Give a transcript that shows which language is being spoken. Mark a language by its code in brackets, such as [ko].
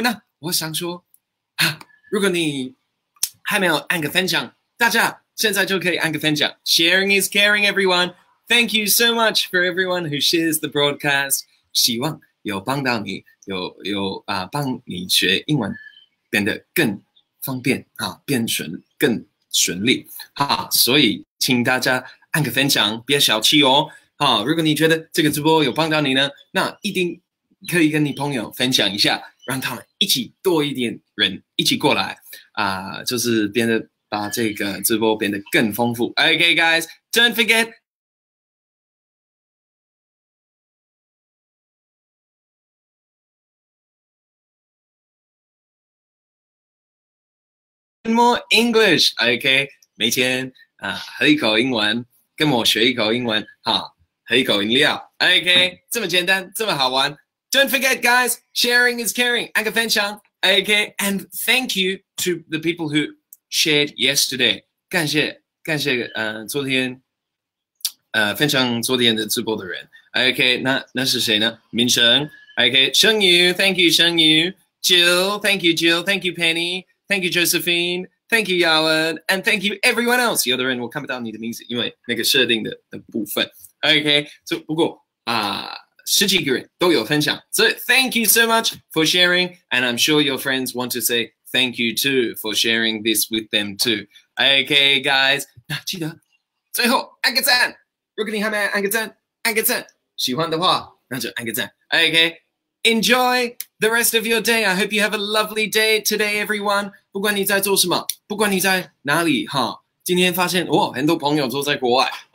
[zh] 那我想说，如果你还没有按个分享，大家。现在就可以按个分享 [en] Sharing is caring, everyone. Thank you so much for everyone who shares the broadcast. [zh] 希望有帮到你，有帮你学英文变得更方便啊，变顺更顺利啊。所以请大家按个分享，别小气哦。啊，如果你觉得这个直播有帮到你呢，那一定可以跟你朋友分享一下，让他们一起多一点人一起过来啊，就是变得。把这个直播变得更丰富。 [en] Okay, guys, don't forget. More English, okay? [zh] 每天啊，喝一口英文，跟我学一口英文，哈，喝一口饮料。 [en] Okay, [zh] 这么简单，这么好玩。 [en] Don't forget, guys. Sharing is caring. [zh] 按个分享。 [en] Okay, and thank you to the people who. Shared yesterday. [zh] 感谢昨天分享昨天的直播的人。 OK, 那是谁呢明晨。 [en] OK, [zh] 声音 [en] thank you, 声音 Jill, thank you, Jill, thank you, Penny, thank you, Josephine, thank you, Yawen, and thank you, everyone else. [zh] 有的人我看不到你的名字因为那个设定 的部分。 OK, 不过十几个人都有分享。 [en] So, thank you so much for sharing, and I'm sure your friends want to say,Thank you, too, for sharing this with them, too. Okay, guys. [zh] 那记得最后按个赞。如果你还没按个赞，按个赞。喜欢的话，那就按个赞。Okay. [en] Enjoy the rest of your day. I hope you have a lovely day today, everyone. [zh] 不管你在做什么，不管你在哪里，哈。今天发现，哇，很多朋友都在国外。